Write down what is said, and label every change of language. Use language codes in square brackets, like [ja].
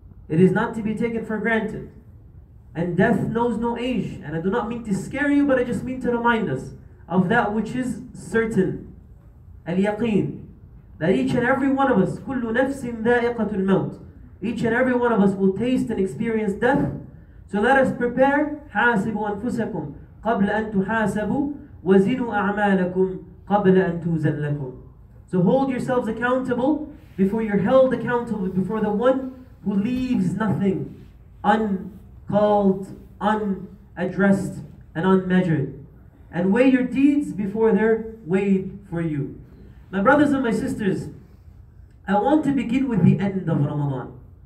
[en] It is not to be taken for granted. And death knows no age. And I do not mean to scare you, but I just mean to remind us of that which is certain, al-yaqeen, that each and every one of us, [ar] kullu nafsin dha'iqatul maut, [en] each and every one of us will taste and experience death. So let us prepare. [ar] حاسبوا أنفسكم قبل أن تحاسبوا وزنوا أعمالكم قبل أن توزن لكم. [en] So hold yourselves accountable before you're held accountable before the one who leaves nothing uncalled, unaddressed, and unmeasured. And weigh your deeds before they're weighed for you. My brothers and my sisters, I want to begin with the end of Ramadan.